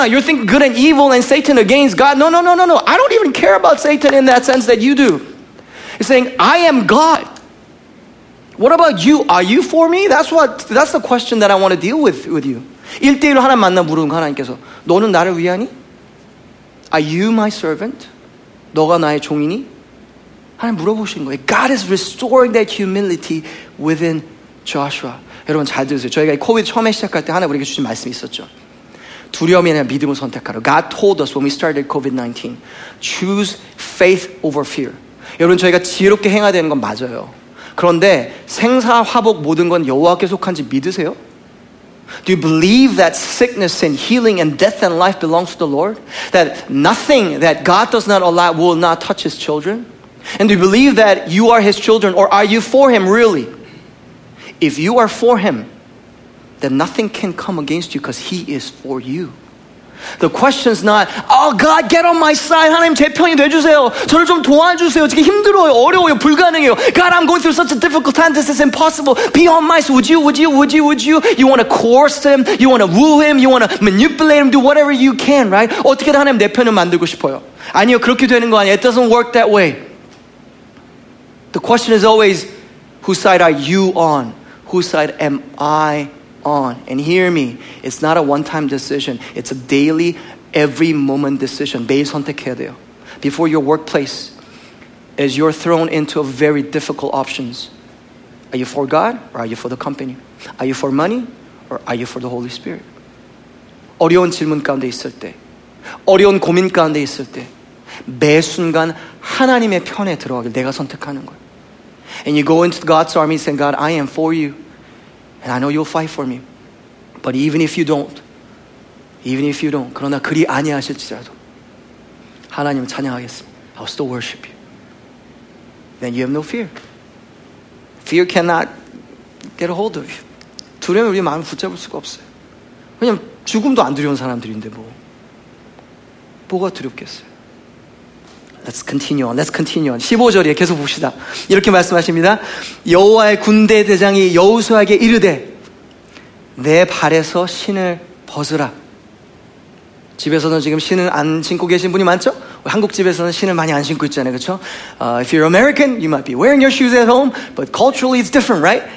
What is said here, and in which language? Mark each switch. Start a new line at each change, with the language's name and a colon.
English: You think good and evil and Satan against God. No, no, no, no, no. I don't even care about Satan in that sense that you do. He's saying, I am God. What about you? Are you for me? That's the question that I want to deal with you.
Korean: 1대1로 하나님 만나 물은 거 하나님께서. 너는 나를 위하니?
English: Are you my servant?
Korean: 너가 나의 종이니? 하나님 물어보신 거예요.
English: God is restoring that humility within Joshua.
Korean: 여러분 잘 들으세요. 저희가 COVID 처음에 시작할 때 하나님 우리에게 주신 말씀이 있었죠. 두려움이 아니라 믿음을 선택하라.
English: God told us when we started COVID-19, choose faith over fear.
Korean: 여러분 저희가 지혜롭게 행해야 되는 건 맞아요. 그런데 생사 화복 모든 건 여호와께 속한지 믿으세요?
English: Do you believe that sickness and healing and death and life belongs to the Lord? That nothing that God does not allow will not touch his children? And do you believe that you are his children or are you for him really? If you are for him, then nothing can come against you because he is for you. The question is not, oh God, get on my side.
Korean: 하나님 제 편이 돼주세요. 저를 좀 도와주세요. 지금 힘들어요. 어려워요. 불가능해요.
English: God, I'm going through such a difficult time. This is impossible. Be on my side. Would you? You want to coerce him. You want to woo him. You want to manipulate him. Do whatever you can, right?
Korean: 어떻게 하나님 내 편을 만들고 싶어요? 아니요, 그렇게 되는 거 아니에요.
English: It doesn't work that way. The question is always, whose side are you on? Whose side am I on? And hear me, it's not a one-time decision. It's a daily, every moment decision.
Korean: 매일 선택해야 돼요.
English: Before your workplace, as you're thrown into a very difficult options, are you for God or are you for the company? Are you for money or are you for the Holy Spirit?
Korean: 어려운 질문 가운데 있을 때, 어려운 고민 가운데 있을 때, 매 순간 하나님의 편에 들어가길 내가 선택하는 거예요.
English: And you go into God's army and say, God, I am for you. And I know you'll fight for me. But even if you don't,
Korean: 그러나 그리 아니하실지라도, 하나님 찬양하겠습니다.
English: I'll still worship you. Then you have no fear. Fear cannot get a hold of you.
Korean: 두려움이 우리 마음을 붙잡을 수가 없어요. 왜냐면 죽음도 안 두려운 사람들인데 뭐. 뭐가 두렵겠어요?
English: Let's continue on.
Korean: 15절에 계속 봅시다. 이렇게 말씀하십니다. 여호와의 군대 대장이 여호수아에게 이르되 내 발에서 신을 벗으라. 집에서는 지금 신을 안 신고 계신 분이 많죠? 한국 집에서는 신을 많이 안 신고 있잖아요. 그렇죠?
English: If you're American, you might be wearing your shoes at home, but culturally it's different, right?